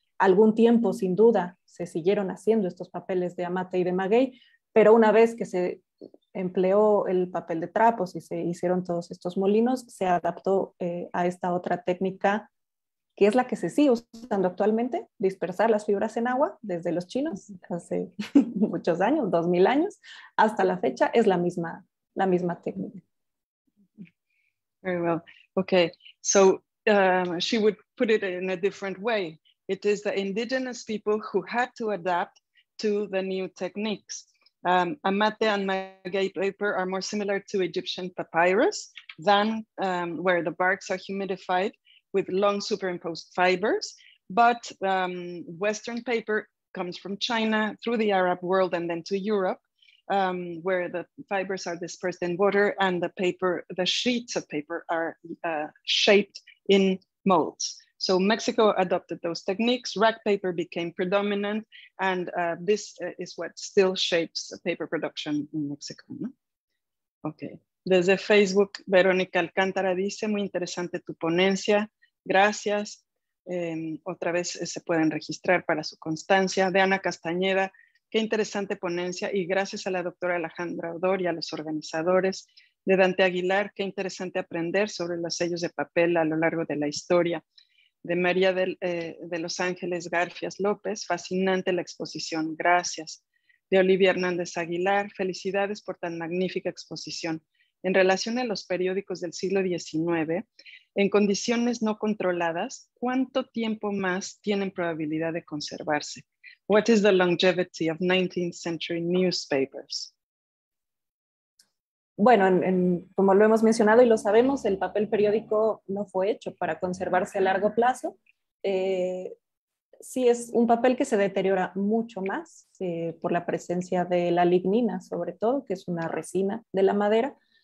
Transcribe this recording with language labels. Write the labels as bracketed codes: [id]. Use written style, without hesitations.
[es] Algún tiempo, sin duda, se siguieron haciendo estos papeles de amate y de maguey, pero una vez que se empleó el papel de trapos y se hicieron todos estos molinos, se adaptó a esta otra técnica, que es la que se sigue usando actualmente, dispersar las fibras en agua desde los chinos hace muchos años, 2000 años, hasta la fecha es la misma técnica. [en] Very well. Okay, so she would put it in a different way. It is the indigenous people who had to adapt to the new techniques. Amate and maguey paper are more similar to Egyptian papyrus than where the barks are humidified with long superimposed fibers. But Western paper comes from China through the Arab world and then to Europe, where the fibers are dispersed in water and the sheets of paper are shaped in molds. So Mexico adopted those techniques, rag paper became predominant, and this is what still shapes paper production in Mexico. [es] ¿No? Okay. Desde Facebook, Verónica Alcántara dice, muy interesante tu ponencia, gracias. Otra vez se pueden registrar para su constancia. De Ana Castañeda, qué interesante ponencia, y gracias a la doctora Alejandra Odor y a los organizadores. De Dante Aguilar, qué interesante aprender sobre los sellos de papel a lo largo de la historia. de María de Los Ángeles Garfias López, fascinante la exposición, gracias. De Olivia Hernández Aguilar, felicidades por tan magnífica exposición. En relación a los periódicos del siglo XIX, en condiciones no controladas, ¿cuánto tiempo más tienen probabilidad de conservarse? [en] What is the longevity of 19th century newspapers? [es] Bueno, como lo hemos mencionado y lo sabemos, el papel periódico no fue hecho para conservarse a largo plazo. Sí es un papel que se deteriora mucho más por la presencia de la lignina, sobre todo, que es una resina de la madera.